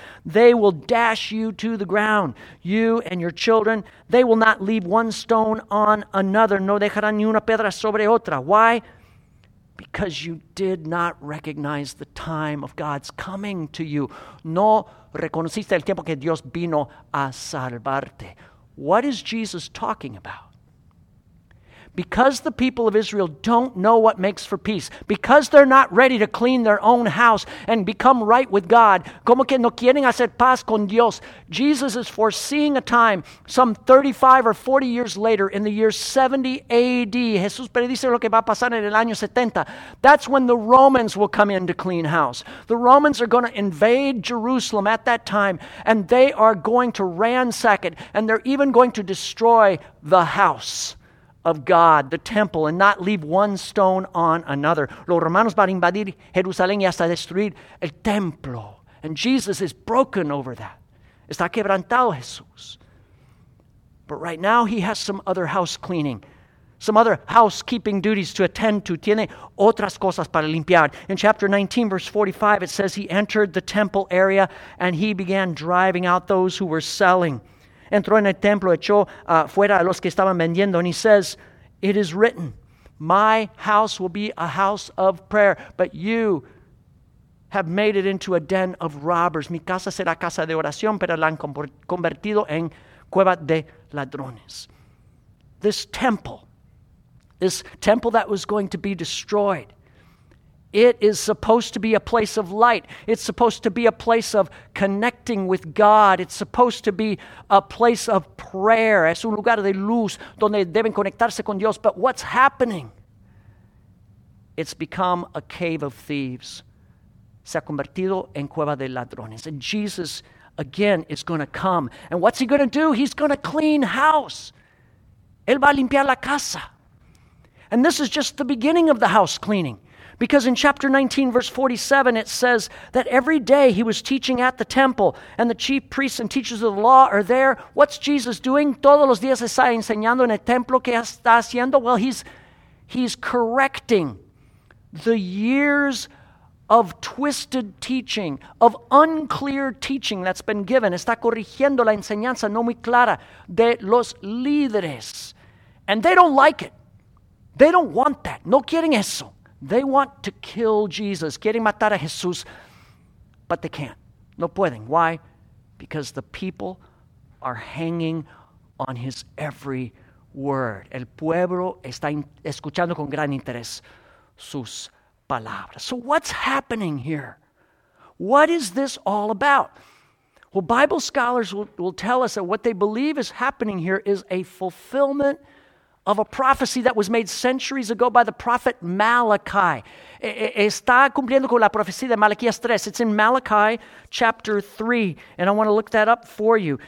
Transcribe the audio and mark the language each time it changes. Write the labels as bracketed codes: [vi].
[en] They will dash you to the ground, you and your children. They will not leave one stone on another. [es] No dejarán ni una piedra sobre otra. [en] Why? Because you did not recognize the time of God's coming to you. [es] No reconociste el tiempo que Dios vino a salvarte. [en] What is Jesus talking about? Because the people of Israel don't know what makes for peace, because they're not ready to clean their own house and become right with God, [es] como que no quieren hacer paz con Dios, [en] Jesus is foreseeing a time some 35 or 40 years later in the year 70 AD. [es] Jesús predice lo que va a pasar en el año 70. [en] That's when the Romans will come in to clean house. The Romans are going to invade Jerusalem at that time and they are going to ransack it and they're even going to destroy the house of God, the temple, and not leave one stone on another. [es] Los romanos van a invadir Jerusalén y hasta destruir el templo. [en] And Jesus is broken over that. [es] Está quebrantado Jesús. [en] But right now he has some other house cleaning some other housekeeping duties to attend to. [es] Tiene otras cosas para limpiar. [en] In chapter 19, verse 45, it says he entered the temple area and he began driving out those who were selling. [es] Entró en el templo, echó fuera a los que estaban vendiendo. [en] And he says, it is written, my house will be a house of prayer, but you have made it into a den of robbers. [es] Mi casa será casa de oración, pero la han convertido en cueva de ladrones. [en] This temple that was going to be destroyed, it is supposed to be a place of light. It's supposed to be a place of connecting with God. It's supposed to be a place of prayer. [es] Es un lugar de luz donde deben conectarse con Dios. [en] But what's happening? It's become a cave of thieves. [es] Se ha convertido en cueva de ladrones. [en] And Jesus, again, is going to come. And what's he going to do? He's going to clean house. [es] Él va a limpiar la casa. [en] And this is just the beginning of the house cleaning. Because in chapter 19, verse 47, it says that every day he was teaching at the temple, and the chief priests and teachers of the law are there. What's Jesus doing? [es] Todos los días está enseñando en el templo. ¿Qué está haciendo? [en] Well, he's correcting the years of twisted teaching, of unclear teaching that's been given. [es] Está corrigiendo la enseñanza no muy clara de los líderes. [en] And they don't like it. They don't want that. [es] No quieren eso. [en] They want to kill Jesus. [es] Quieren matar a Jesús, [en] but they can't. [es] No pueden. [en] Why? Because the people are hanging on his every word. [es] El pueblo está escuchando con gran interés sus palabras. [en] So what's happening here? What is this all about? Well, Bible scholars will tell us that what they believe is happening here is a fulfillment of a prophecy that was made centuries ago by the prophet Malachi. [es] Está cumpliendo con la profecía de Malaquías 3. [en] It's in Malachi chapter 3, and I want to look that up for you.